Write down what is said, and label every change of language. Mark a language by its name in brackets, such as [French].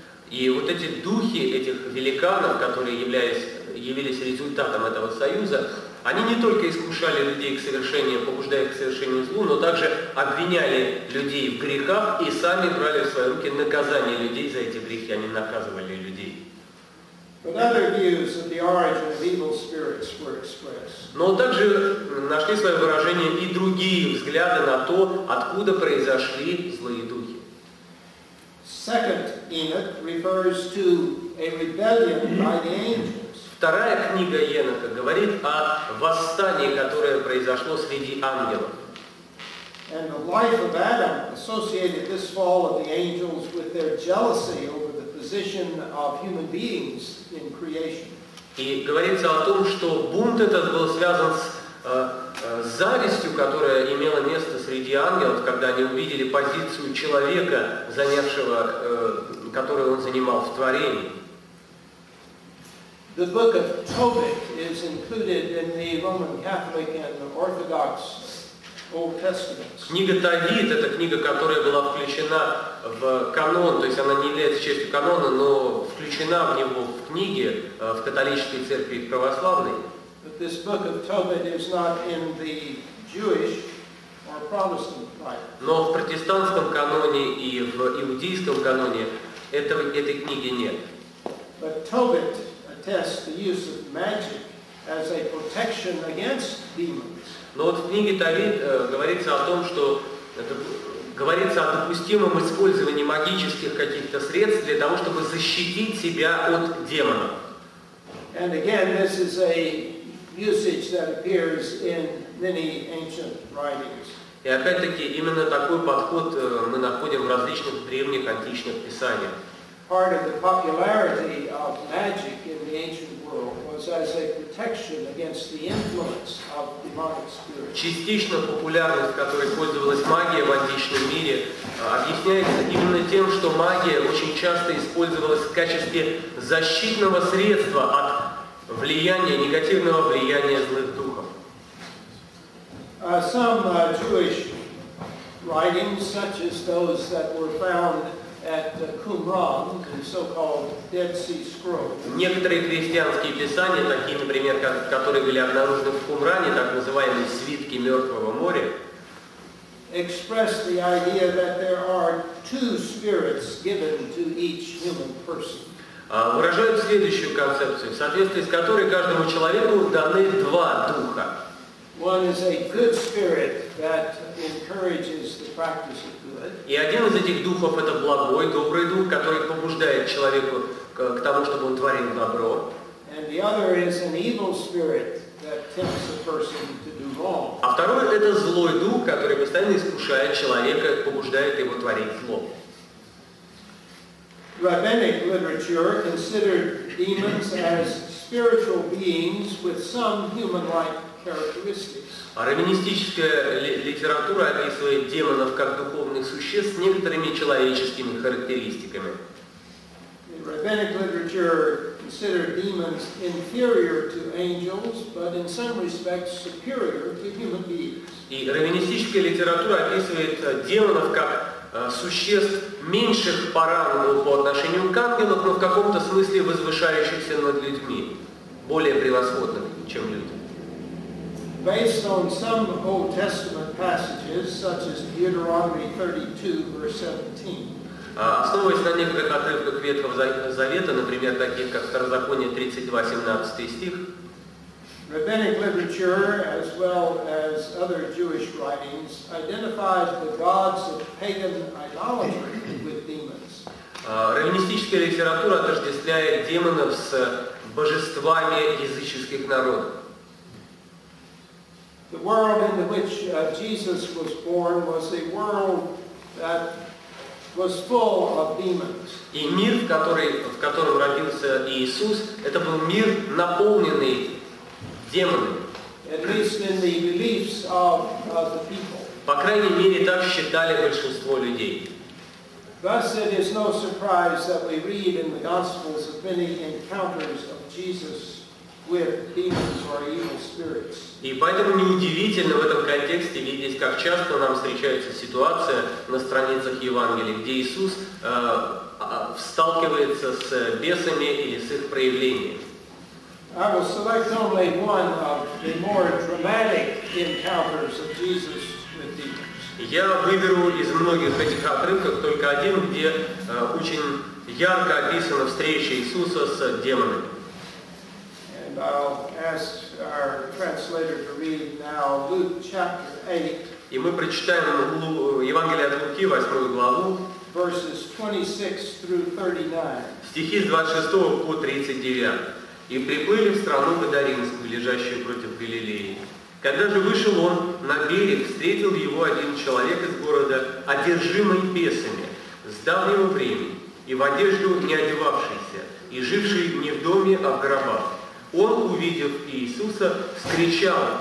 [Russian] И вот эти духи этих великанов, которые явились результатом этого союза, они не только искушали людей к совершению, побуждая их к совершению злу, но также обвиняли людей в грехах и сами брали в свои руки наказание людей за эти грехи, они наказывали людей. Но также нашли свое выражение и другие взгляды на то, откуда произошли злые духи. [English] Second Enoch refers to a rebellion by the angels. [Russian] Вторая книга Еноха говорит о восстании, которое произошло среди ангелов. [English] And the life of Adam associated this fall of the angels with their jealousy over the position of human beings in creation. [Russian] И говорится о том, что бунт этот был связан с завистью, которая имела место среди ангелов, когда они увидели позицию человека, занявшего, которую он занимал в творении. [English] The book of Tobit is included in the Roman Catholic and Orthodox Old Testaments. [Russian] Книга Тобит — это книга, которая была включена в канон, то есть она не является частью канона, но включена в него в книге в католической церкви православной. [English] But this book of Tobit is not in the Jewish or Protestant Bible. [Russian] Но в протестантском каноне и в иудейском каноне этой книги нет. [English] But Tobit attests the use of magic as a protection against demons. [Russian] Но вот в книге Тобит говорится о том, что это говорится о допустимом использовании магических каких-то средств для того, чтобы защитить себя от демонов. [English] And again, this is a usage that appears in many ancient writings. [Russian] И опять-таки именно такой подход мы находим в различных древних античных писаниях. [English] Part of the popularity of magic in the ancient world was as a protection against the influence of demonic spirits. [Russian] Частично популярность, которой пользовалась магия в античном мире, объясняется именно тем, что магия очень часто использовалась в качестве защитного средства от влияния, негативного влияния злых духов. [English] Some Jewish writings, such as those that were found at Qumran, the so-called Dead Sea Scrolls. [Russian] Некоторые христианские писания, такие, например, которые были обнаружены в Кумране, так называемые свитки Мертвого моря, [English] express the idea that there are two spirits given to each human person. [Russian] Выражают следующую концепцию, в соответствии с которой каждому человеку даны два духа. [English] One is a good spirit that encourages the practice of good. [Russian] И один из этих духов — это благой, добрый дух, который побуждает человека к тому, чтобы он творил добро. [English] And the other is an evil spirit that tempts a person to do wrong. [Russian] А второй — это злой дух, который постоянно искушает человека, побуждает его творить зло. [English] Rabbinic literature considered demons as spiritual beings with some human-like characteristics. [Russian] Раввинистическая литература описывает демонов как духовных существ с некоторыми человеческими характеристиками. [English] Rabbinic literature considered demons inferior to angels, but in some respects superior to human beings. [Russian] И раввинистическая литература описывает демонов как существ меньших по рангу по отношению к ангелам, но в каком-то смысле возвышающихся над людьми, более превосходных, чем люди. [English] Based on some Old Testament passages, such as Deuteronomy 32, verse 17. [Russian] Основываясь на некоторых отрывках Ветхого Завета, например, таких как Второзаконие 32, 17 стих, [English] Rabbinic literature, as well as other Jewish writings, identifies the gods of pagan idolatry with demons. [Russian] Раввинистическая литература отождествляет демонов с божествами языческих народов. [English] The world in which Jesus was born was a world that was full of demons. [Russian] И мир, в котором родился Иисус, это был мир, наполненный демоны. [English] At least in the beliefs of the people. [Russian] По крайней мере, так считали большинство людей. [English] Thus, it is no surprise that we read in the Gospels of many encounters of Jesus with demons or evil spirits. [Russian] И поэтому неудивительно в этом контексте видеть, как часто нам встречается ситуация на страницах Евангелия, где Иисус сталкивается с бесами или с их проявлениями. [English] I will select only one of the more dramatic encounters of Jesus with demons. [Russian] Я выберу из многих этих отрывков только один, где очень ярко описана встреча Иисуса с демонами. [English] And I'll ask our translator to read now Luke chapter 8. [Russian] И мы прочитаем Евангелие от Луки, 8 главу. [English] Verses 26 through 39. [Russian] Стихи с 26 по 39. И приплыли в страну Гадаринскую, лежащую против Галилеи. Когда же вышел он на берег, встретил его один человек из города, одержимый бесами, с давнего времени, и в одежду не одевавшийся, и живший не в доме, а в гробах. Он, увидев Иисуса, вскричал,